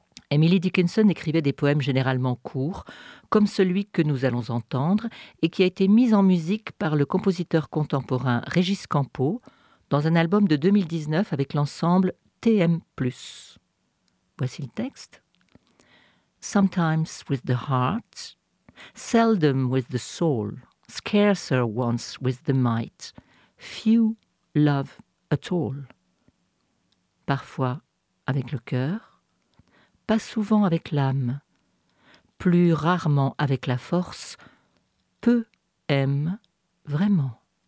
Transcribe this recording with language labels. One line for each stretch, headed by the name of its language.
French: Emily Dickinson écrivait des poèmes généralement courts, comme celui que nous allons entendre, et qui a été mis en musique par le compositeur contemporain Régis Campo dans un album de 2019 avec l'ensemble TM+. Voici le texte.
English: Sometimes with the heart, seldom with the soul, scarcer once with the might, few love at all.
French: Parfois avec le cœur, pas souvent avec l'âme, plus rarement avec la force, peu aime vraiment.